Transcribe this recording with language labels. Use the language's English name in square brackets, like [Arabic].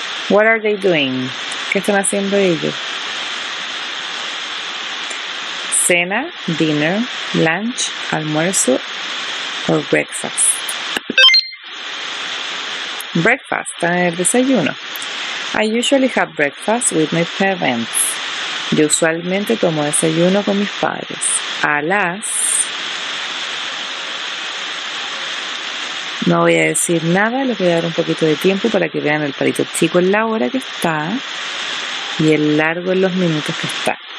[English] What are they doing? ¿Qué están haciendo ellos? [Spanish] Cena, dinner, lunch, almuerzo o breakfast. Breakfast, en el desayuno. [English] I usually have breakfast with my parents. [Spanish] Yo usualmente tomo desayuno con mis padres. A las... No voy a decir nada, les voy a dar un poquito de tiempo para que vean el palito chico en la hora que está y el largo en los minutos que está.